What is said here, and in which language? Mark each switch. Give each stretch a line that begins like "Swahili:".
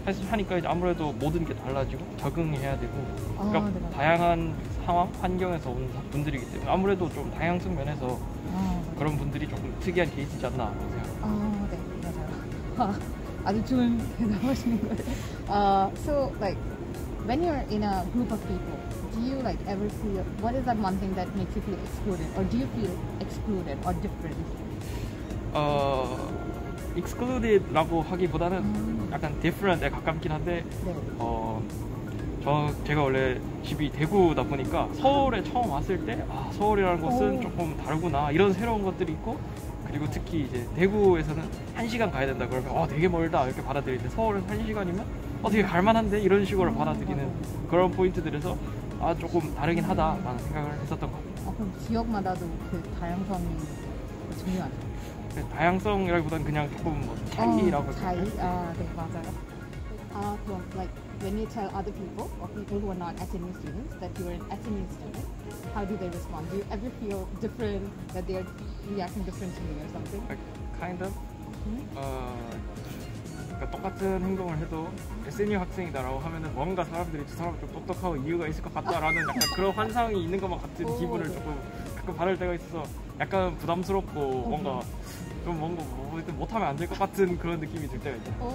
Korean: 하니까 이제 아무래도 모든 게 달라지고 적응해야 되고 그러니까 다양한 상황, 환경에서 온 분들이기 때문에 아무래도 좀 다양성 면에서 그런 분들이 조금 특이한 케이스지 않나 생각합니다. 네, 맞아요. 아주 좋은 대답하시는 거예요.
English: When you're in a group of people, do you like ever feel, what is that one thing that makes you feel excluded? Or do you feel excluded or different?
Korean: Excluded라고 하기보다는 약간 different에 가깝긴 한데 네. 제가 원래 집이 대구다 보니까 서울에 처음 왔을 때 아, 서울이라는 곳은 조금 다르구나 이런 새로운 것들이 있고 그리고 특히 이제 대구에서는 1시간 가야 된다 그러면 되게 멀다 이렇게 받아들이는데 서울은 1시간이면 되게 갈만한데? 이런 식으로 받아들이는 그런 포인트들에서 아, 조금 다르긴 하다라는 생각을 했었던 것 같아요. 그럼 지역마다도 그 다양성이 중요하죠? 네, 다양성이라기보다는 그냥 조금 차이라고 생각해요. 네, 맞아요.
English: 그럼 like when you tell other people or people who are not SNU students that you are an SNU student, how do they respond? Do you ever feel different that they are reacting different to you or something? Like, kind of. Mm-hmm.
Korean: 똑같은 행동을 해도 SNU 학생이다라고 하면은 뭔가 사람들이 저 사람 좀 똑똑하고 이유가 있을 것 같다라는 약간 그런 환상이 있는 것만 같은 기분을 조금 가끔 받을 때가 있어서 약간 부담스럽고 뭔가 좀 뭔가 뭐든 못하면 안 될 것 같은 그런 느낌이 들 때가 있어.